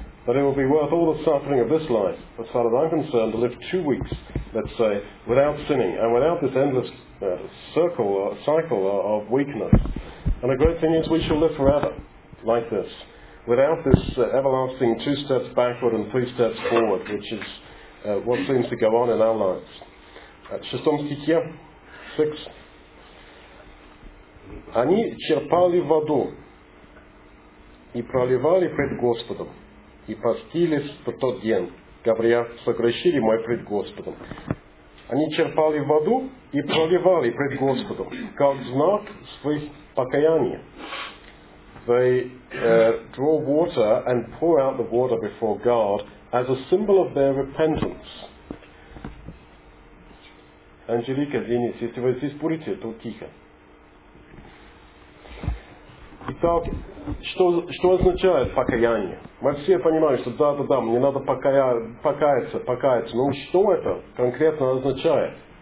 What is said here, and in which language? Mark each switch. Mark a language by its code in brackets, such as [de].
[en] That it will be worth all the suffering of this life, as far as I'm concerned, to live 2 weeks, let's say, without sinning, and without this endless cycle of weakness. And the great thing is we shall live forever like this, without this everlasting 2 steps backward and 3 steps forward, which is what seems to go on in our lives. [ru] Шестом стихе, 6. Они черпали воду и проливали пред Господом, и постились в тот день, говоря, согрешили мы пред Господом. Они черпали воду и проливали пред Господом, как знак своих покаяния. [en] They draw water and pour out the water before God as a symbol of their repentance. [ru] Анжелика, Денис, если вы здесь будете, то тихо. Итак, что означает покаяние? Мы все понимаем, что да-да-да, мне надо покаяться. Но что это конкретно означает?